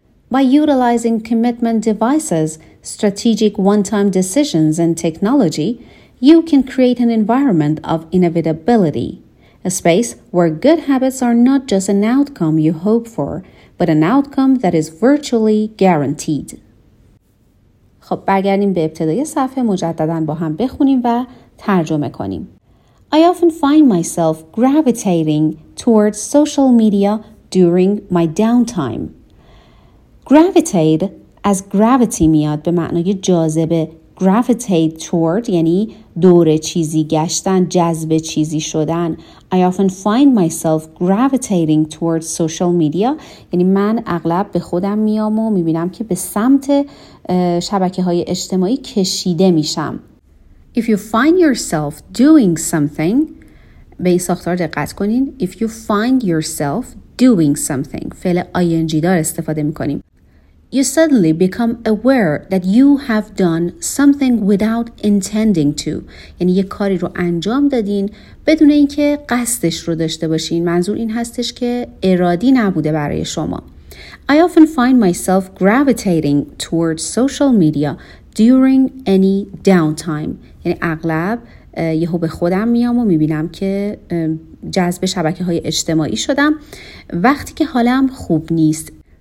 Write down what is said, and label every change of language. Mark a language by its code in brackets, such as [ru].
[en] By utilizing commitment devices, strategic one-time decisions, and technology, you can create an environment of inevitability, a space where good habits are not just an outcome you hope for, but an outcome that is virtually guaranteed. [fa] خب برگردیم به ابتدای صفحه مجدداً با هم بخونیم و ترجمه کنیم. [en] I often find myself gravitating towards social media during my downtime. [fa] Gravitate از gravity میاد، به معنای جاذبه. Gravitate toward یعنی دور چیزی گشتن، جذب چیزی شدن. [en] I often find myself gravitating towards social media [fa] یعنی من اغلب به خودم میام و میبینم که به سمت شبکه‌های اجتماعی کشیده میشم. [en] If you find yourself doing something, [fa] به این ساختار دقت کنین. [en] If you find yourself doing something, [fa] فعل ing دار استفاده میکنیم. [en] You suddenly become aware that you have done something without intending to. [fa] یعنی یه کاری رو انجام دادین بدون اینکه قصدش رو داشته باشین. منظور این هستش که ارادی نبوده برای شما. [en] I often find myself gravitating towards social media during any downtime. [fa] یعنی اغلب یهو به خودم میام و میبینم که جذب شبکه‌های اجتماعی شدم وقتی که حالم خوب نیست.